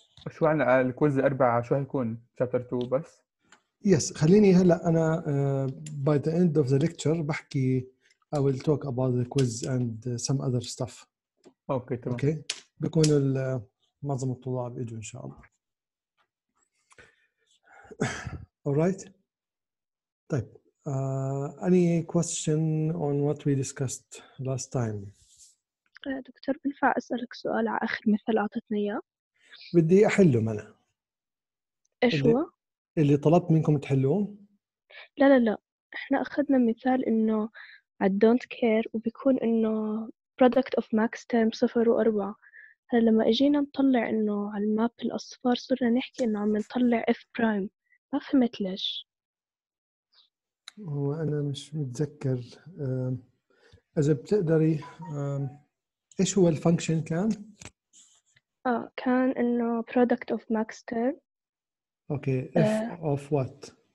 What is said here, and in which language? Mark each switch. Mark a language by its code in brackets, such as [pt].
[ar] شو عنا الكويز الأربعة؟ شو هيكون شابتر 2 بس؟ يس خليني هلا أنا [en] by the end of the lecture [ar] بحكي [en] I will talk about the quiz and some other stuff. [ar] أوكي تمام. أوكي بكون معظم الطلاب يجوا إن شاء الله. [en] Alright. [ar] طيب [en] any question on what we discussed last time؟ [ar] دكتور بنفع أسألك سؤال على آخر مثال أعطتنا إياه؟ بدي أحله أنا. إيش هو؟ اللي طلبت منكم تحلوه؟ لا لا لا، إحنا أخذنا مثال إنه [en] I don't care [ar] وبيكون إنه product of max term 0 و 4. هلا لما أجينا نطلع إنه على الماب الأصفار صرنا نحكي إنه عم نطلع F prime، ما فهمت ليش؟ هو أنا مش متذكر. إذا بتقدري إيش هو الفانكشن كان؟ كان إنه product of max term. [en] Okay F of what؟